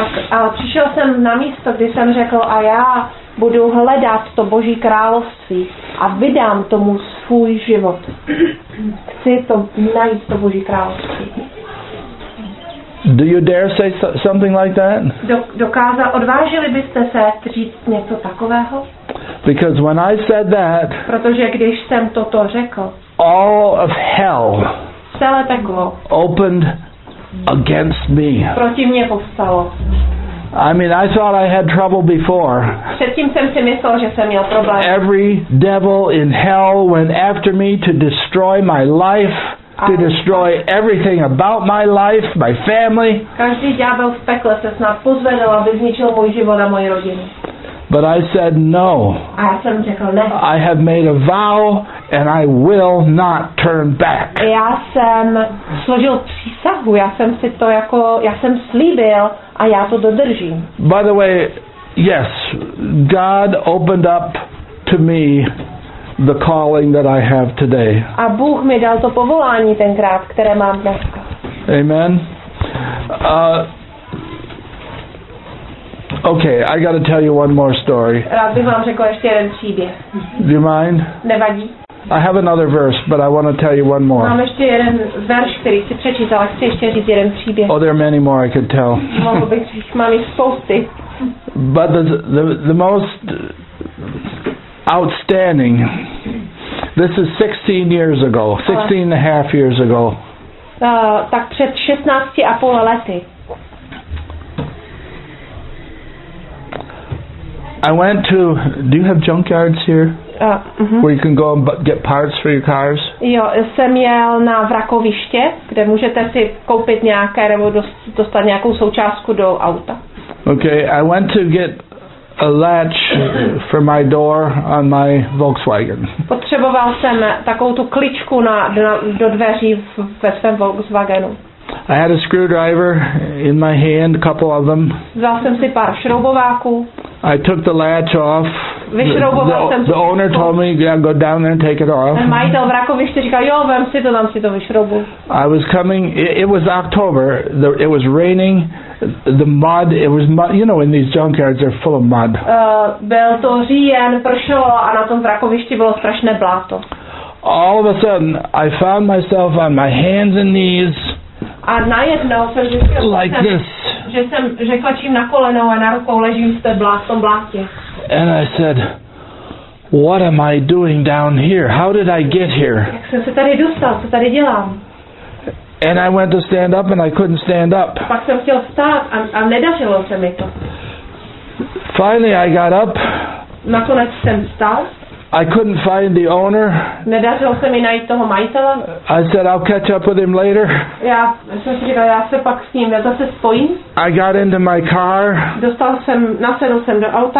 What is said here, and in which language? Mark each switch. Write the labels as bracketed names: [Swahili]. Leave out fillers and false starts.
[Czech] Ale přišel jsem na místo, kdy jsem řekl, a já budu hledat to Boží království a vydám tomu svůj život. Chci to najít to Boží království. [English] Do you dare say something like that? [Czech] Odvážili byste se říct něco takového? [English] Because when I said that, [Czech] protože když jsem toto řekl, [English] all of hell [Czech] celé peklo [English] opened against me. [Czech] Proti mě povstalo. [English] I mean, I thought I had trouble before. [Czech] Předtím jsem si myslel, že jsem měl problém. [English] Every devil in hell went after me to destroy my life, to destroy everything about my life, my family. [Czech] Každý ďábel v pekle se snad pozvedl, aby zničil můj život a moji rodinu. [English] But I said no. [Czech] A já jsem řekl ne. [English] I have made a vow and I will not turn back. [Czech] Já jsem složil přísahu, já jsem slíbil a já to dodržím. [English] By the way, yes, God opened up to me the calling that I have today. [Czech] A Bůh mi dal to povolání tenkrát, které mám dneska. [English] Amen. Okay, I got to tell you one more story. [Czech] Rád bych vám řekl ještě jeden příběh. [English] Do you mind? [Czech] Nevadí. [English] I have another verse, but I want to tell you one more. [Czech] Mám ještě jeden verš, který chci přečíst, ale chci ještě říct jeden příběh. [English] Oh, there are many more I could tell. [Czech] Mohl bych říct, mám jich spousty. [English] But the most outstanding, this is 16 years ago, 16 and a half years ago. [Czech] Tak před 16 a půl lety. [English] I went to, do you have junkyards here? Where you can go and get parts for your cars? [Czech] Jo, jsem jel na vrakoviště, kde můžete si koupit nějaké, nebo dostat nějakou součástku do auta. [English] Okay, I went to get a latch for my door on my Volkswagen. [Czech] Potřeboval jsem takovou tu kličku do dveří ve svém Volkswagenu. [English] I had a screwdriver in my hand, a couple of them. [Czech] Vzal jsem si pár šroubováků. [English] I took the latch off. [Czech] Vyšrouboval jsem si. [English] The owner told me, yeah, go down there and take it off. [Czech] Ten majitel vrakoviště říkal, jo, vem si to, dám si to vyšroubu. [English] I was coming, it was October, it was raining, the mud, it was mud, you know, in these junkyards, they're full of mud. [Czech] Byl to říjen, pršelo a na tom vrakovišti bylo strašné bláto. [English] All of a sudden, I found myself on my hands and knees. [Czech] A najednou jsem řekl, [English] like [Czech] že klačím na kolenou a na rukou ležím v tom blátě. [English] And I said, what am I doing down here? How did I get here? [Czech] Jak jsem se tady dostal, co tady dělám? [English] And I went to stand up and I couldn't stand up. [Czech] Pak jsem chtěl vstát a nedařilo se mi to. [English] Finally I got up. [Czech] Nakonec jsem vstal. [English] I couldn't find the owner. [Czech] Nedařilo se mi najít toho majitele. [English] I said I'll catch up with him later. [Czech] Já jsem si říkal, já se pak s ním zase spojím. [English] I got into my car. [Czech] Dostal jsem, nasedl jsem do auta.